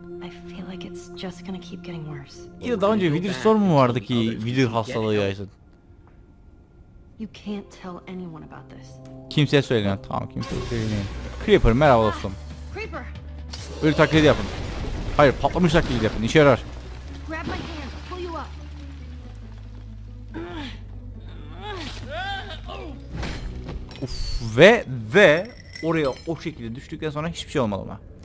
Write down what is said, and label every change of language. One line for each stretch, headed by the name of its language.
English: I feel like it's just gonna keep getting worse.
Turkish: Ya daha önce Wither Storm mu vardı ki Wither hastalığı yaysın?
English: You can't tell anyone about this.
Turkish: Kimseye söylemeyin. Tamam, kimseye söylemeyin. Creeper, merhaba dostum. Creeper. Böyle taklidi yapın. Hayır, patlamış taklidi yapın. İşe yarar.
English: Grab my hand. Pull you up.
Turkish: Uf, ve oraya o şekilde düştükten sonra hiçbir şey olmadı ona.